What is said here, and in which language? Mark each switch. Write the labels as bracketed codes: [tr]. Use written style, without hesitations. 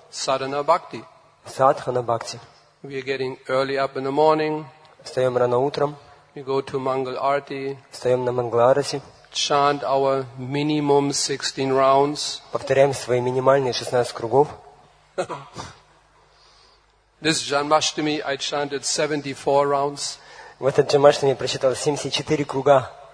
[ru] Садхана бхакти. Садхана бхакти. [en] We are getting early up in the morning. [ru] Встаем рано утром. [en] We go to Mangal Arati. [ru] Встаем на Мангал Арати. [en] Chant our minimum 16 rounds. [ru] Повторяем свои минимальные 16 кругов. [en] This Janmashtami I chanted 74 rounds. [ru] В этот Джанмаштами я прочитал 74 круга.